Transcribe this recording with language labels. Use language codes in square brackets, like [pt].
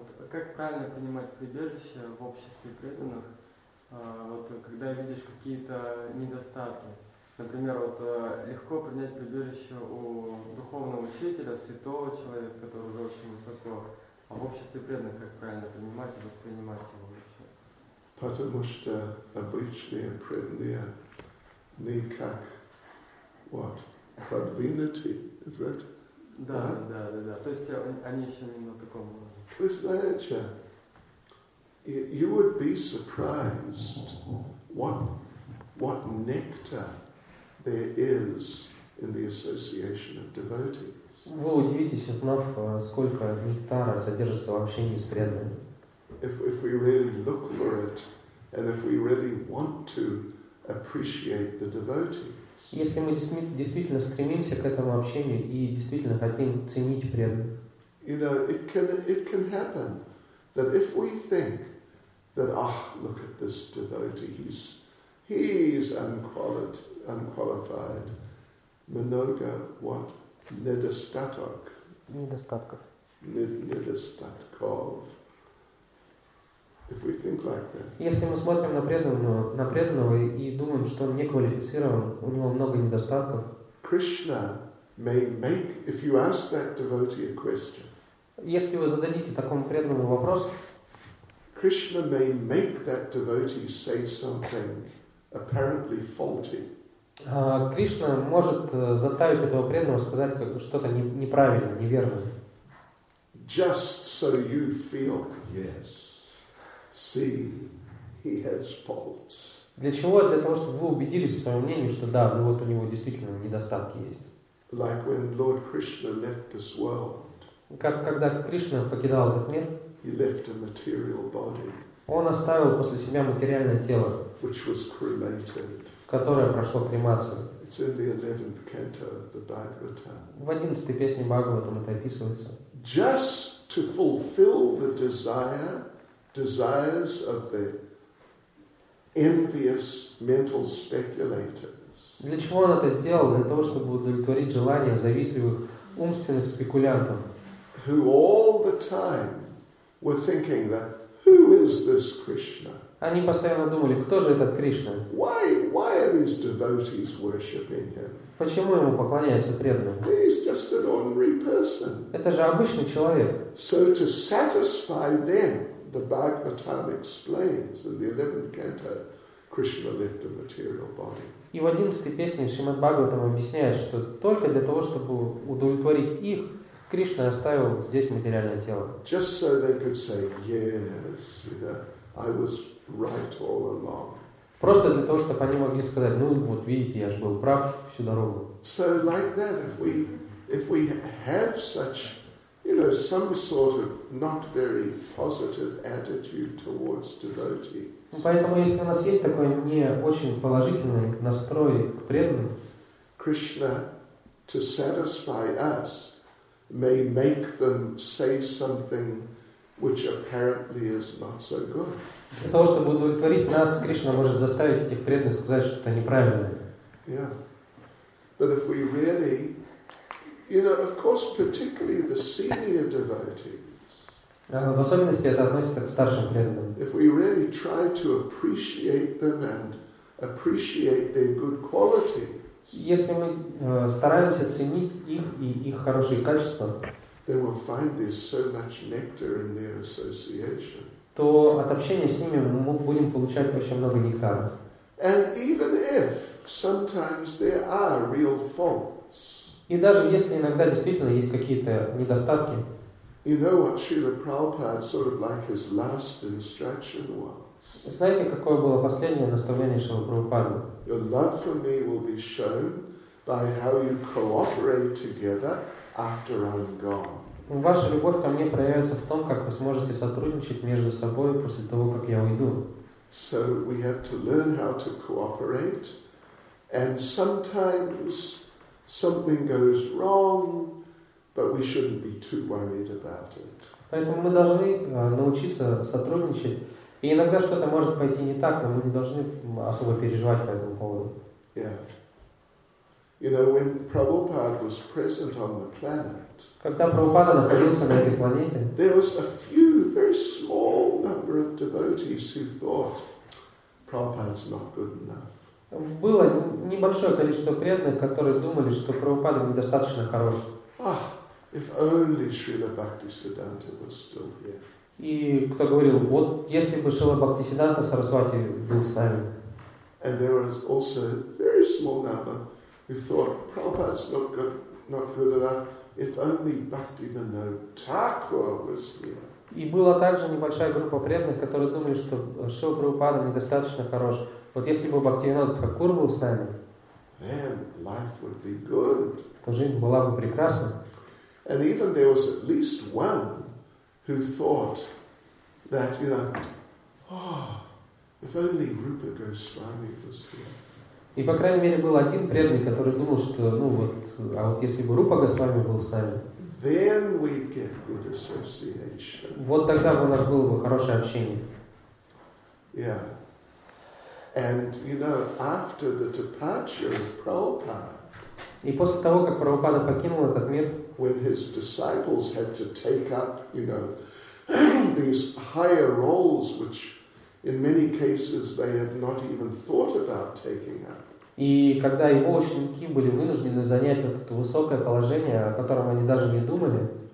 [ru] Как правильно понимать прибежище в обществе преданных? Вот когда видишь какие-то недостатки, например, вот легко принять прибежище у духовного учителя, святого человека, который уже очень высоко, а в обществе преданных как правильно принимать и воспринимать его вообще? Потому что обычные преданные никак, [en] what, [ru] подвинуты, [en] is that? [ru] Да, [en] right? [ru] да. То есть они еще не на таком уровне. Вы знаете? [en] You would be surprised what nectar there is in the association of devotees. [ru] Вы удивитесь, узнав, сколько нектара содержится в общении с преданными. [en] If we really look for it, and if we really want to appreciate the devotees. [ru] Если мы действительно стремимся к этому общению и действительно хотим ценить преданных. [en] You know, it can happen that if we think that, look at this devotee, he's unqualified, [ru] mnoga, [en] what, [ru] nedostatok. Nedostatkov. [en] If we think like that. [ru] Если мы смотрим на преданного и думаем, что он не квалифицирован, у него много недостатков. [en] Krishna may make, if you ask that devotee a question. [ru] Если вы зададите такому преданному вопрос, [en] Krishna may make that devotee say something apparently faulty. [ru] Кришна может заставить этого преданного сказать что-то неправильное, неверное. [en] Just so you feel, yes, see, he has faults. [ru] Для чего? Для того, чтобы вы убедились в своем мнении, что да, ну вот у него действительно недостатки есть. [en] Like when Lord Krishna left this world. [ru] Как когда Кришна покидал этот мир. [en] He left a material body, [ru] он оставил после себя материальное тело, [en] which was cremated. [ru] Которое прошло кремацию. [en] It's in the 11th canto of the Bhagavatam. [ru] В 11-й песне Бхагаватам это описывается. [en] Just to fulfill the desires of the envious mental speculators. [ru] Для чего он это сделал? Для того, чтобы удовлетворить желания завистливых умственных спекулянтов. [en] Who all the time were thinking that who is this Krishna? [ru] Они постоянно думали, кто же этот Кришна? [en] Why are these devotees worshiping him? [ru] Почему ему поклоняются преданные? [en] He's just an ordinary person. [ru] Это же обычный человек. [en] So to satisfy them, the Bhagavatam explains in the 11th canto, Krishna left a material body. [ru] И в 11-й песне Шримад Бхагаватам объясняет, что только для того, чтобы удовлетворить их, Кришна оставил здесь материальное тело. [en] Just so they could say, yes, you know, I was right all along. [ru] Просто для того, чтобы они могли сказать, ну вот видите, я же был прав всю дорогу. [en] So like that, if we have such, you know, some sort of not very positive attitude towards devotees. [ru] Поэтому если у нас есть такой не очень положительный настрой к преданным, [en] Krishna to satisfy us may make them say something which apparently is not so good. [ru] Для того, чтобы удовлетворить нас, Кришна может заставить этих преданных сказать что-то неправильное. [en] Yeah. But if we really, you know, of course, particularly the senior devotees. [ru] В особенности это относится к старшим преданным. [en] If we really try to appreciate them and appreciate their good qualities. [ru] Если мы стараемся ценить их и их хорошие качества, [en] they will find there's so much nectar in their association. [ru] То от общения с ними мы будем получать очень много нектара. [en] And even if sometimes there are real faults, [ru] И даже если иногда действительно есть какие-то недостатки. [en] You know what Srila Prabhupada sort of like his last instruction was? [ru] Знаете, какое было последнее наставление Шрилы Прабхупады? [en] Your love for me will be shown by how you cooperate together after I'm gone. [ru] Ваша любовь ко мне проявится в том, как вы сможете сотрудничать между собой после того, как я уйду. [en] So we have to learn how to cooperate, and sometimes something goes wrong, but we shouldn't be too worried about it. [ru] Поэтому мы должны научиться сотрудничать, и иногда что-то может пойти не так, но мы не должны особо переживать по этому поводу. [en] Yeah. You know, when Prabhupada was present on the planet, [ru] когда Прабхупада находился на этой планете, [en] there was a few, very small number of devotees who thought Prabhupada's not good enough. [ru] Было небольшое количество преданных, которые думали, что Прабхупада недостаточно хорош. [en] Ah, if only Srila Bhaktisiddhanta was still here. [ru] И кто говорил, вот если бы Шрила Бхактисиддханта Сарасвати был с нами. [en] And there was also a very small number who thought Prabhupada's not good enough. If only Bhaktivinoda Thakur was here. [ru] И была также небольшая группа преданных, которые думали, что Шрила Прабхупада недостаточно хорош. Вот если бы Бхактивинода Такур был с нами, [en] then life would be good. [ru] То жизнь была бы прекрасна. [en] And even there was at least one who thought that, you know, oh, if only Rupa Goswami was here. [ru] И по крайней мере был один преданный, который думал, что ну вот, а вот если бы Рупа Госвами был с нами, [en] then we'd get good association. [ru] Вот тогда бы у нас было бы хорошее общение. [en] Yeah. And you know, after the departure of Prabhupada, [ru] и после того, как Прабхупада покинул этот мир, [en] when his disciples had to take up, you know, these higher roles which in many cases they had not even thought about taking up. [ru] И когда его ученики были вынуждены занять вот это высокое положение, о котором они даже не думали,